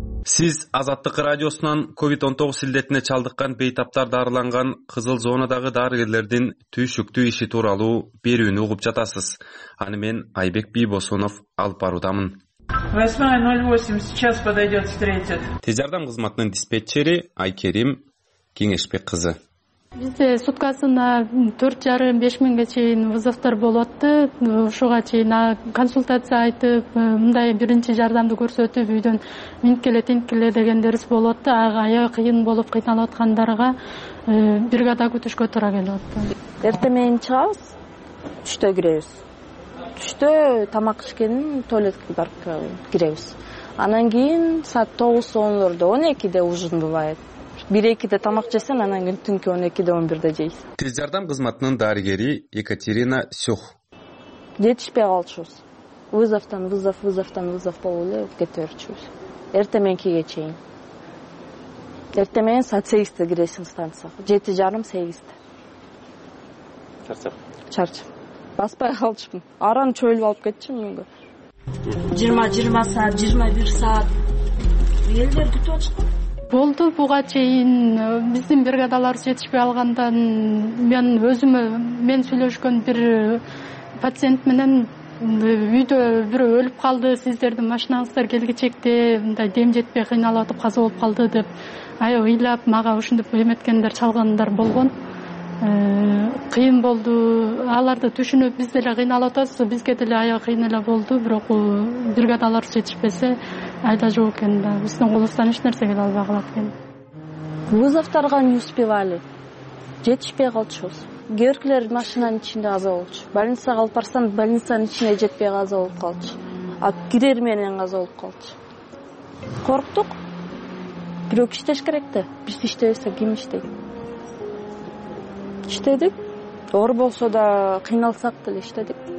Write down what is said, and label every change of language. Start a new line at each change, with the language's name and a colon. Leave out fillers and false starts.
Kyrgyz: Сиз Азаттык радиосунан COVID-19 илдетине чалдыккан бейтаптар дарыланган кызыл зонадагы дарыгерлердин түйшүктүү иши тууралуу берүүнү угуп жатасыз. Аны мен Айбек Бийбосунов алып барудамын.
Russian: 8:08 сейчас подойдет, встретит.
Kyrgyz: Тез жардам кызматынын диспетчери Айкерим Кеңешбек кызы. Бизде суткасына 4,5-5 000 чейин вызовтор болуп атты. Ушуга чейин консультация айтып, мындай биринчи жардамды көрсөтүп, үйдөн минткеле тинткеле дегендерис болуп атты. Ага аябай кыйын болуп кыйналып аткандарга бригада күтүшкө туура келип атты. Эрте менен чыгабыз, түштө киребиз. Түштө тамак ичкенин туалетке барып киребиз. Анан кийин саат 9:10, 12:00
Russian: ужин бывает.
Kyrgyz: 1-2 тамак жесең, анан кийин түнкү 12:00, 11:00 жейсиз. Тез жардам кызматынын дарыгери Екатерина Сюх. Жетишпей калчубуз. Вызовтон, вызов, вызовтон, вызов болуп эле кете берчүбүз. Эрте мененкиге чейин. Эрте менен саат 8:00 киресиң станцияга. 7:30, 8:00. Чарчап. Чарчап. Баспай калчыпмын. Араны чөйлөп алып кетчү мүнгө. 20 саат, 21 саат. Элдер күтүп атышкан. Болду, буга чейин биздин бригадалар жетишпей алгандан мен өзүмө мен сүйлөшкөн бир пациент менен үйдө бирөө өлүп калды, сиздердин машинаңыздар келгичекте мындай дем жетпей кыйналып атып каза болуп калды деп аябай ыйлап мага ушинтип эметкендер, чалгандар болгон. Кыйын болду, аларды түшүнүп биз деле кыйналып атабыз, бизге деле аябай кыйын эле болду, бирок бригадалар жетишпесе айда жок экен да, биздин колубуздан эч нерсе келе албай калат экен. Вызовторго
Russian: не успевали,
Kyrgyz: жетишпей калчубуз. Кээ биркилер машинанын ичинде каза болчу, больницага алып барсаң больницанын ичине жетпей каза болуп калчу, а кирер менен каза болуп калчу. Корктук, бирок иштеш керек да, биз иштебесе ким иштейт? Иштедик, оор болсо да кыйналсак деле иштедик.